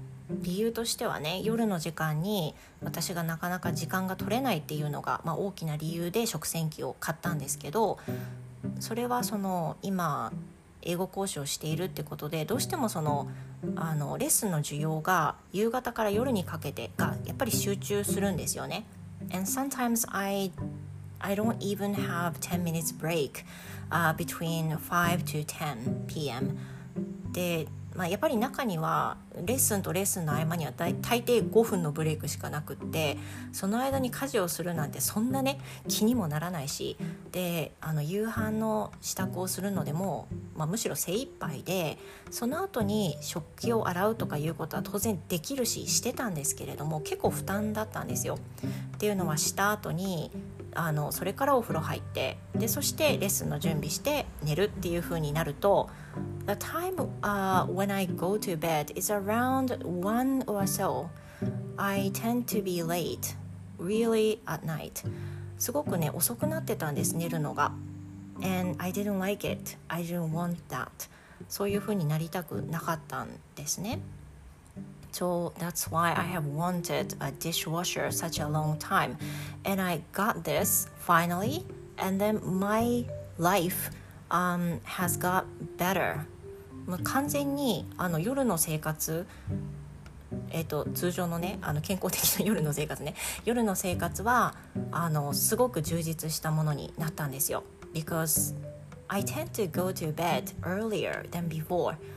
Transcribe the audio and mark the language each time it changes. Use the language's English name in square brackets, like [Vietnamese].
[Japanese] 理由としてはね、夜の時間に私がなかなか時間が取れないっていうのが、まあ、大きな理由で食洗機を買ったんですけど、それはその今英語講師をしているってことで、どうしてもそのレッスンの需要が夕方から夜にかけてがやっぱり集中するんですよね。 [English] And sometimes I don't even have 10 minutes break between 5 to 10 p.m. [Japanese] で、まあ、やっぱり中にはレッスンとレッスンの合間には大抵5分のブレイクしかなくって、その間に家事をするなんてそんなね気にもならないし、で夕飯の支度をするのでも、まあ、むしろ精一杯で、その後に食器を洗うとかいうことは当然できるししてたんですけれども、結構負担だったんですよ。っていうのはした後にそれからお風呂入って、でそしてレッスンの準備して寝るっていう風になると、 [English] The time when I go to bed is around 1 or so. I tend to be late, really at night. [Japanese] すごくね遅くなってたんです、寝るのが。 [English] And I didn't like it. I didn't want that. [Japanese] そういう風になりたくなかったんですね。 [English] So that's why I have wanted a dishwasher such a long time. And I got this finally. And then my life has got better. [Japanese] 完全に夜の生活、通常のね健康的な夜の生活ね、夜の生活はすごく充実したものになったんですよ。 [English] Because I tend to go to bed earlier than before.